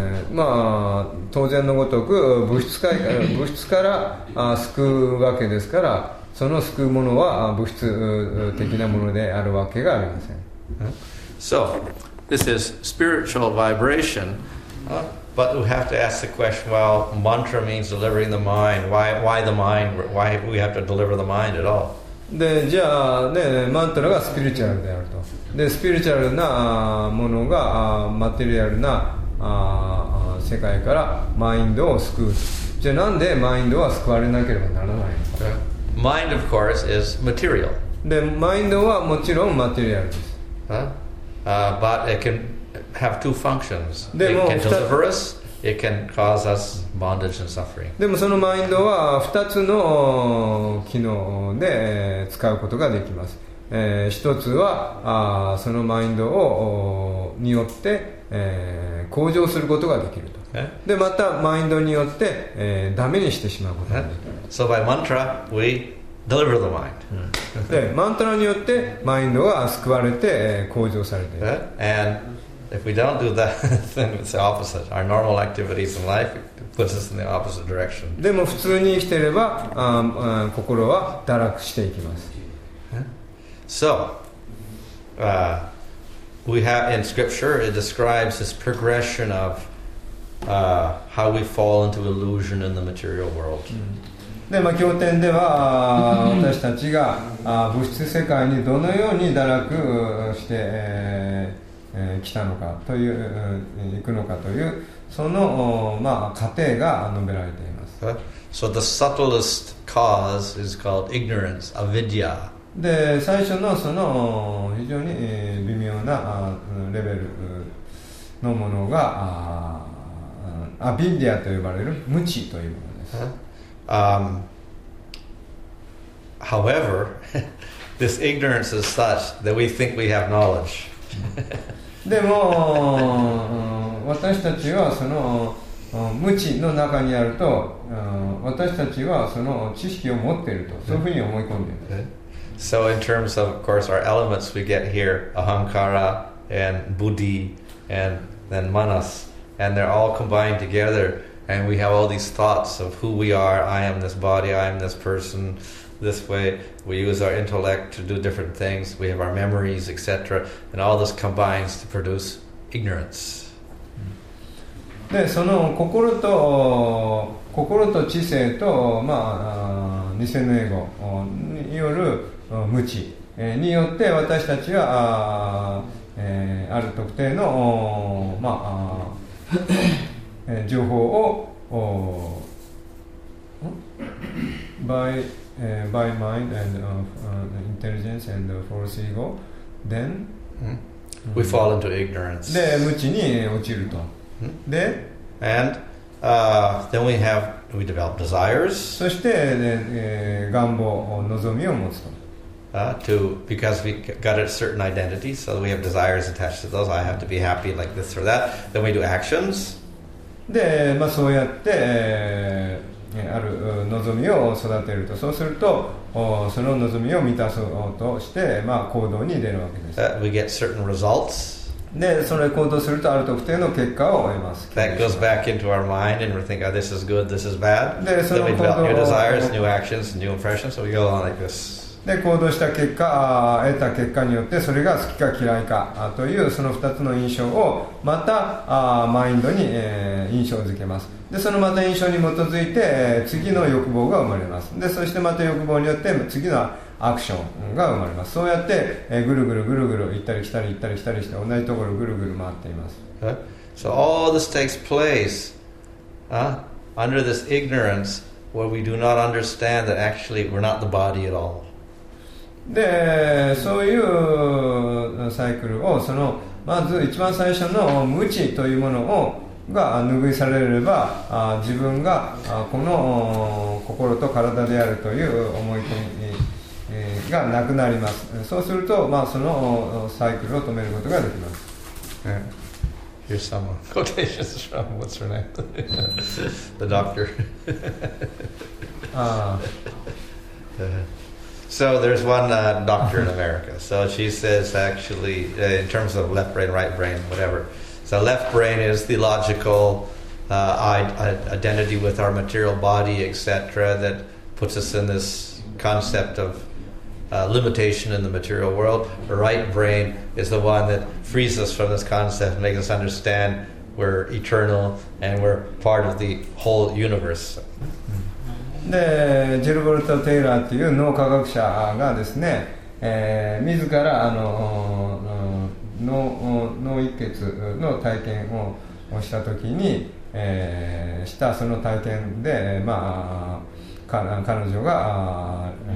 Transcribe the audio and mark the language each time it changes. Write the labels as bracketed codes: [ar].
[ja] まあ当然のごとく物質界から救うわけですから、その救うものは物質的なものであるわけがありません。 [en] So, this is spiritual vibration. But we have to ask the question, well, mantra means delivering the mind. Why the mind? Why we have to deliver the mind at all? [ja] で、じゃあね、マントラがスピリチュアルであると。で、スピリチュアルなものがマテリアルな世界からマインドを救う。じゃあなんでマインドは救われなければならないのか。 [en] Mind, of course, is material. [ja] で、マインドはもちろんマテリアルです。 [en] But it can have two functions. It can deliver us. It can cause us bondage and suffering. [ja] でもそのマインドは二つの機能で使うことができます。一つはそのマインドをによって向上することができると。でまたマインドによってダメにしてしまうことができる。 [en] So by mantra we deliver the mind. [ja] でマントラによってマインドが救われて向上されている。 [en] And if we don't do that, then it's the opposite. Our normal activities in life puts us in the opposite direction. [ja] でも普通に生きていれば心は堕落していきます。 [en] So, we have in scripture it describes this progression of how we fall into illusion in the material world. [ja] で、まあ、経典では私たちが物質世界にどのように堕落して来たのかという行くのかというその、まあ、過程が述べられています。 [en] So the subtlest cause is called ignorance, avidya. [ja] で、最初のその非常に微妙なレベルのものがアビディアと呼ばれる無知というものです。 [en] However, this ignorance is such that we think we have knowledge. [ja] でも私たちはその無知の中にあると私たちはその知識を持っているとそういうふうに思い込んでいます。 [en] So in terms of course our elements we get here ahankara and buddhi and then manas and they're all combined together and we have all these thoughts of who we are, I am this body, I am this person, this way we use our intellect to do different things, we have our memories, etc. and all this combines to produce ignorance. [ja] で、その心と知性と、まあ、偽のエゴによる無知によって私たちはある特定の、まあ、情報を [en] by mind and intelligence and false ego, then we fall into ignorance. [ja] で、無知に落ちると。で、 [en] and then we develop desires. [ja] そして、願望、望みを持つと。 [en] To because we got a certain identity, so we have desires attached to those. I have to be happy like this or that. Then we do actions. [ja] で、まあ、そうやって、ある望みを育てると、そうすると、その望みを満たそうとして、まあ、行動に出るわけです。 [en] We get certain results. [ja] で、それを行動すると、ある特定の結果を得ます。 [en] That goes back into our mind and we think, oh, this is good, this is bad. [ja] で、その行動 [en] Then we develop new desires, new actions, new impressions, so we go on like this. [ja] で、行動した結果、得た結果によって、それが好きか嫌いかという、その2つの印象を、また、マインドに、印象付けます。で、そのまた印象に基づいて、次の欲望が生まれます。で、そしてまた欲望によって、次のアクションが生まれます。そうやって、ぐるぐるぐるぐる、行ったり来たり、行ったり来たりして、同じところぐるぐる回っています。 [en] So all this takes place, under this ignorance, where we do not understand that actually we're not the body at all. [ja] で、そういうサイクルをそのまず一番最初の無知というものをが拭いされれば自分がこの心と体であるという思い込みがなくなります。そうすると、まあ、そのサイクルを止めることができます。 [en] Here's some quotations from what's her name? The doctor. So there's one doctor in America. So she says actually, in terms of left brain, right brain, whatever. So left brain is the logical identity with our material body, etc., that puts us in this concept of limitation in the material world. Right brain is the one that frees us from this concept, makes us understand we're eternal and we're part of the whole universe. [ja] で、ジルボルト・テイラーという脳科学者がですね、自らあの脳一血の体験をしたときに、したその体験で、まあ、彼女が、